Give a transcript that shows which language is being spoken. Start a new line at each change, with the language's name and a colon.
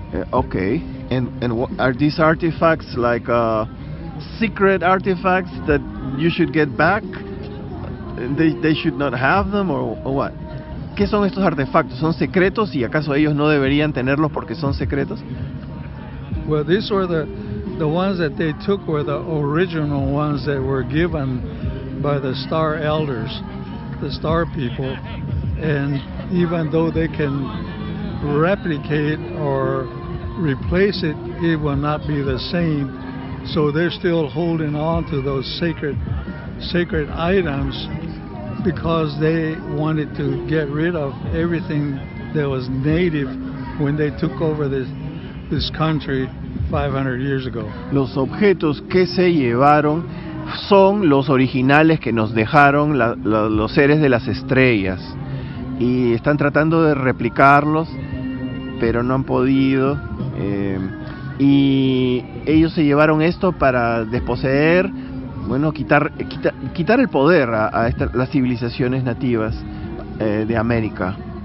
English: Okay. And are these artifacts like secret artifacts that you should get back? They should not have them or what?
Spanish: ¿Qué son estos artefactos? ¿Son secretos y acaso ellos no deberían tenerlos porque son secretos?
English: Well, these were the ones that they took were the original ones that were given by the star elders, the star people. And even though they can replicate or replace it, it will not be the same. So they're still holding on to those sacred items because they wanted to get rid of everything that was native when they took over this country 500 years ago.
Spanish: Los objetos que se llevaron son los originales que nos dejaron los seres de las estrellas, y están tratando de replicarlos, pero no han podido. Y ellos se llevaron esto para desposeer, bueno, quitar el poder a las civilizaciones nativas de América.